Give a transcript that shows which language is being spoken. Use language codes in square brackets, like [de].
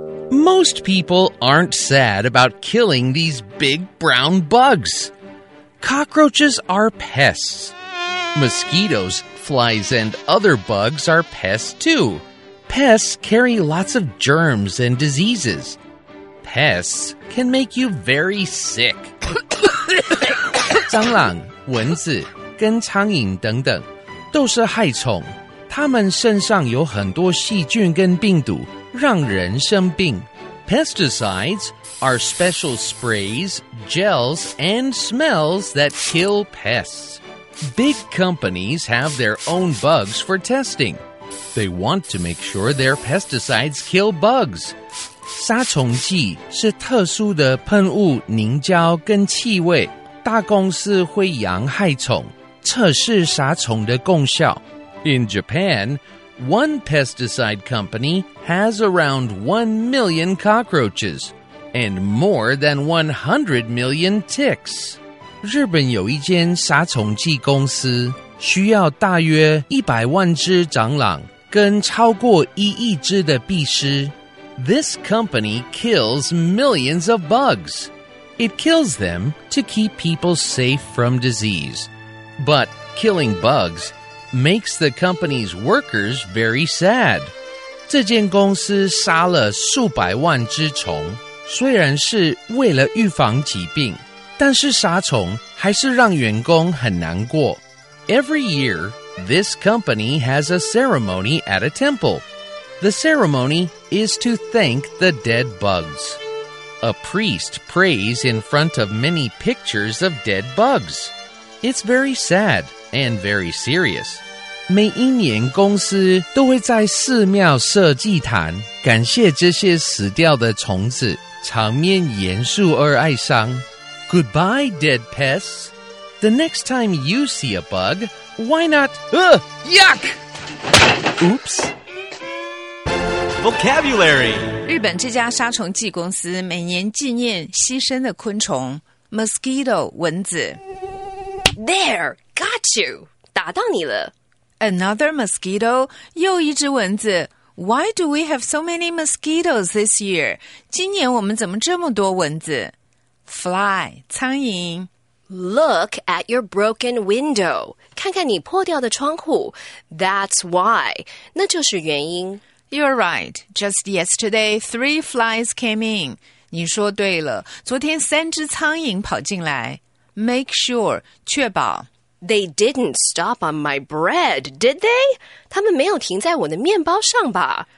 [en] Most people aren't sad about killing these big brown bugs. Cockroaches are pests. Mosquitoes, flies, and other bugs are pests too. Pests carry lots of germs and diseases. Pests can make you very sick. [zh] 蟑螂、蚊子跟苍蝇等等都是害虫，它们身上有很多细菌跟病毒，让人生病。 [en] Pesticides are special sprays, gels, and smells that kill pests. Big companies have their own bugs for testing. They want to make sure their pesticides kill bugs. [zh] 杀虫剂是特殊的喷雾、凝胶跟气味。大公司会养害虫，测试杀虫的功效。 [en] In Japan, one pesticide company has around 1 million cockroaches and more than 100 million ticks. [zh] 日本有一间杀虫剂公司，需要大约100万只蟑螂跟超过1亿只的蜱虱。 [en] This company kills millions of bugs. It kills them to keep people safe from disease. But killing bugs makes the company's workers very sad. [zh] 这间公司杀了数百万只虫，虽然是为了预防疾病，但是杀虫还是让员工很难过。 [en] Every year, this company has a ceremony at a temple. The ceremony is to thank the dead bugs. A priest prays in front of many pictures of dead bugs. It's very sad and very serious. [zh] 每一年公司都会在寺庙设祭坛，感谢这些死掉的虫子，场面严肃而哀伤。 [en] Goodbye, dead pests. The next time you see a bug, why not... Yuck! Oops. Vocabulary. [zh] 日本这家杀虫剂公司每年纪念牺牲的昆虫 ,mosquito, 蚊子。 [en] There, got you. [zh] 打到你了。 [en] Another mosquito, [zh] 又一只蚊子。 [en] Why do we have so many mosquitoes this year? [zh] 今年我们怎么这么多蚊子? [en] Fly, [zh] 苍蝇。 [en] Look at your broken window. [zh] 看看你破掉的窗户。 [en] That's why. [zh] 那就是原因。 [en] You're right. Just yesterday, 3 flies came in. [zh] 你说对了。昨天三只苍蝇跑进来。 [en] Make sure, [zh] 确保。 [en] They didn't stop on my bread, did they? [zh] 他们没有停在我的面包上吧。